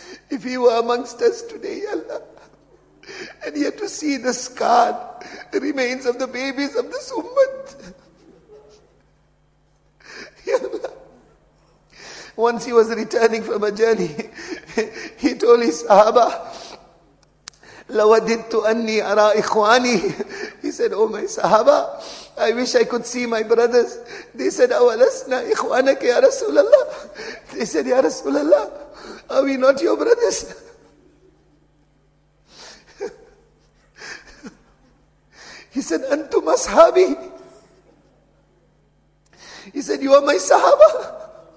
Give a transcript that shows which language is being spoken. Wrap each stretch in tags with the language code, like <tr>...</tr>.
<en>If he were amongst us today, Ya Allah, and he had to see the scarred remains of the babies of this ummah, Ya Allah. Once he was returning from a journey, he told his sahaba,</en> <ar>لَوَدِدْتُ أَنِّي أَرَى إِخْوَانِي.</ar> <en>He said, oh my sahaba, I wish I could see my brothers. They said,</en> <ar>أَوَلَسْنَا إِخْوَانَكَ يَا رَسُولَ اللَّهِ.</ar> <en>They said,</en> <ar>يَا رَسُولَ اللَّهِ,</ar> <en>are we not your brothers? He said,</en> <ar>أَنْتُمْ أَصْحَابِي.</ar> <en>He said, you are my sahaba.</en>